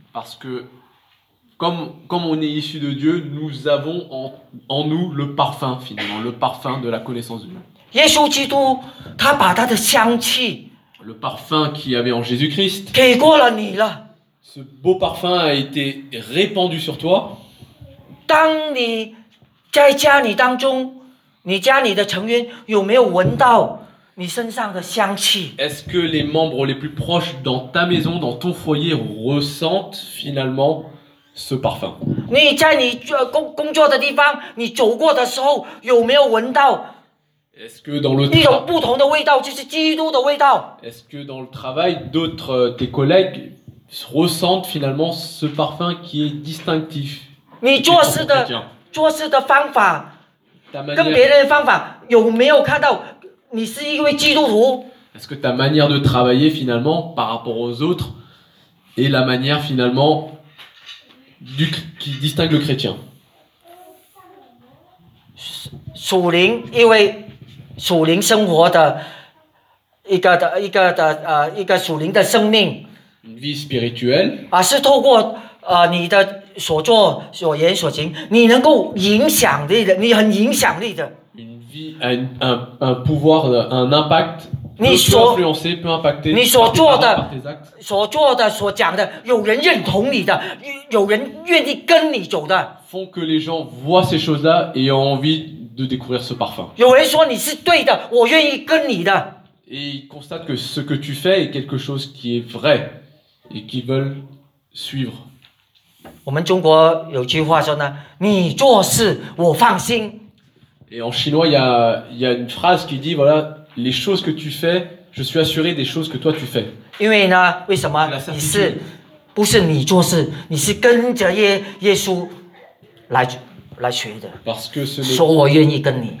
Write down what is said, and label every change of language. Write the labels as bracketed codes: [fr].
[fr] Parce que comme on est issu de Dieu, nous avons en nous le parfum finalement, le parfum de la connaissance de Dieu. [zh] 耶稣基督，他把他的香气 [fr] le parfum qu'il y avait en Jésus-Christ [zh] 给过了你了。 [fr] Ce beau parfum a été répandu sur toi. [zh] 当你在家里当中，你家里的成员有没有闻到你身上的香气 [fr] ？Est-ce que les membres les plus proches dans ta maison, dans ton foyer, ressentent finalement ce parfum？ [zh] 你在你工作的地方，你走过的时候有没有闻到？ [fr] Est-ce que dans le [zh] travail, 一种不同的味道，就是基督的味道。 [fr] Est-ce que dans le travail, d'autres tes collègues ressentent finalement ce parfum qui est distinctif. [zh] 你做事的方法跟别人的方法有没有看到你是一位基督徒 [fr] Est-ce que ta manière de travailler finalement par rapport aux autres est la manière finalement qui distingue le chrétien? [zh] 属灵，因为属灵生活的一个属灵的生命。 [fr] Une vie spirituelle. [zh] 啊，是透过你的所作所言所行，你能够影响力的，你很影响力的。 [fr] Une vie, un pouvoir, un impact. [zh] 你所 [fr] influencer, peut impacter. [zh] 你所做的，所做的，所讲的，有人认同你的，有人愿意跟你走的。 [fr] Font que les gens voient ces choses-là et ont envie de découvrir ce parfum. [zh] 有人说你是对的，我愿意跟你的。 [fr] Et ils constatent que ce que tu fais est quelque chose qui est vrai et qu'ils veulent suivre. [zh] 我们中国有句话说呢，你做事我放心。 [fr] Et en chinois, il y a une phrase qui dit voilà, les choses que tu fais, je suis assuré des choses que toi tu fais. [zh] 因为呢，为什么？你是不是你做事？你是跟着耶稣来学的。 [fr] Parce que ce n'est [zh] 说我愿意跟你。